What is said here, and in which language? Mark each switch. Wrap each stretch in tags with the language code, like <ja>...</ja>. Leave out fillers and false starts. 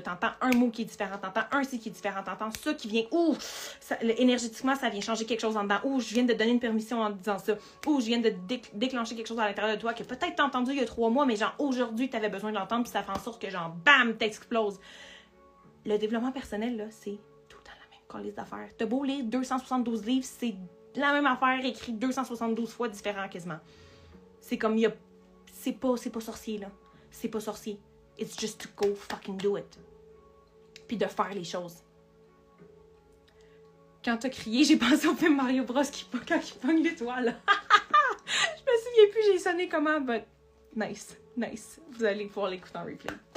<fr>T'entends un mot qui est différent, t'entends un signe qui est différent, t'entends ça qui vient, ouf, ça, énergétiquement, ça vient changer quelque chose en dedans, ouh, je viens de donner une permission en disant ça, ouh, je viens de déclencher quelque chose à l'intérieur de toi que peut-être t'as entendu il y a 3 mois, mais genre, aujourd'hui, t'avais besoin de l'entendre, puis ça fait en sorte que genre, bam, t'exploses. Le développement personnel, là, c'est les affaires. T'as beau lire 272 livres, c'est la même affaire écrite 272 fois différents quasiment. C'est comme, c'est pas sorcier, là. C'est pas sorcier.</fr> <en>It's just to go fucking do it.</en> <fr>Puis de faire les choses. Quand t'as crié, j'ai pensé au film Mario Bros quand il pogne l'étoile. Je me souviens plus, j'ai sonné comment,</fr> <en>but nice.</en> <fr>Vous allez pouvoir l'écouter en replay.</fr>